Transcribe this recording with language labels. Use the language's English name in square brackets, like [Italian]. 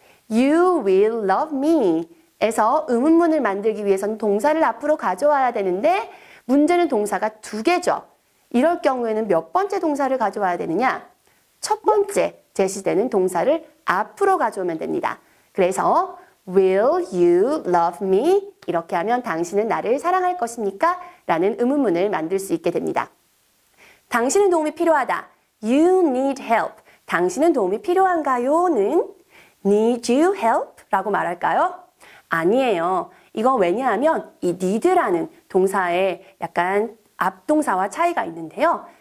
[English] You will love me [Korean] 에서 의문문을 만들기 위해서는 동사를 앞으로 가져와야 되는데 문제는 동사가 두 개죠. 이럴 경우에는 몇 번째 동사를 가져와야 되느냐? 첫 번째 제시되는 동사를 앞으로 가져오면 됩니다. [English] 그래서 Will you love me? [Korean] 이렇게 하면 당신은 나를 사랑할 것입니까? 라는 의문문을 만들 수 있게 됩니다. 당신은 도움이 필요하다. [English] You need help. [Korean] 당신은 도움이 필요한가요?는 [English] Need you help? [Korean] 라고 말할까요? 아니에요. 이거 왜냐하면 이 need라는 동사의 약간 앞동사와 차이가 있는데요.